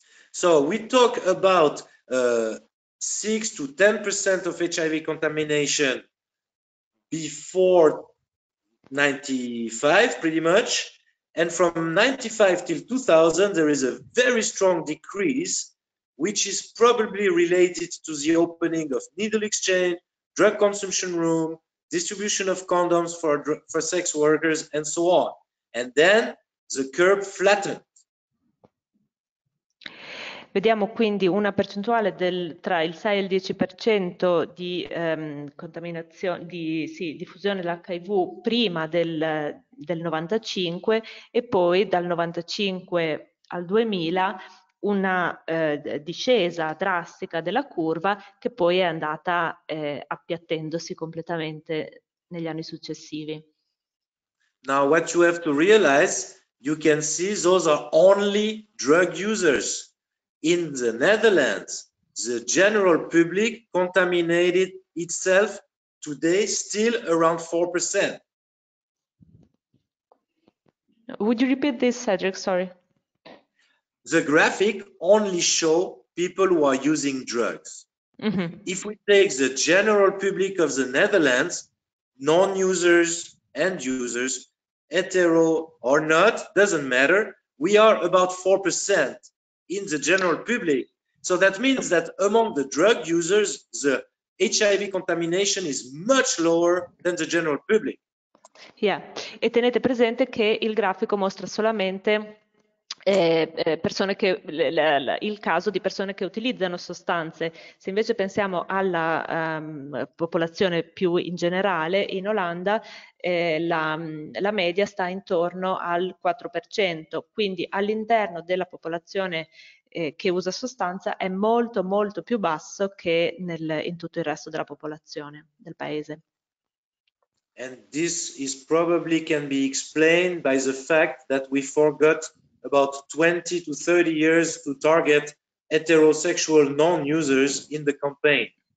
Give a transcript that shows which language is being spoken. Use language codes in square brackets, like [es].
[en] So we talk about 6 to 10% of HIV contamination before 95 pretty much, and from 95 till 2000 there is a very strong decrease, which is probably related to the opening of needle exchange, drug consumption room, distribution of condoms for sex workers, and so on. And then the curve flattened. [it] Vediamo quindi una percentuale tra il 6 e il 10% di contaminazione, sì, diffusione dell'HIV prima del 95 e poi dal 95 al 2000 una discesa drastica della curva che poi è andata appiattendosi completamente negli anni successivi. [en] Now, what you have to realize, you can see those are only drug users. In the Netherlands, the general public contaminated itself today, still around 4%. Would you repeat this, Cedric? Sorry. The graphic only shows people who are using drugs. If we take the general public of the Netherlands, non-users and users, hetero or not, doesn't matter. We are about 4% in the general public. So that means that among the drug users, the HIV contamination is much lower than the general public. [it] E tenete presente che il grafico mostra solamente persone che, il caso di persone che utilizzano sostanze. Se invece pensiamo alla popolazione più in generale, in Olanda la media sta intorno al 4%, quindi all'interno della popolazione che usa sostanza è molto molto più basso che in tutto il resto della popolazione del paese. [en] And this is probably can be explained by the fact that we forgot about 20 to 30 years to target heterosexual non-users in the campaign.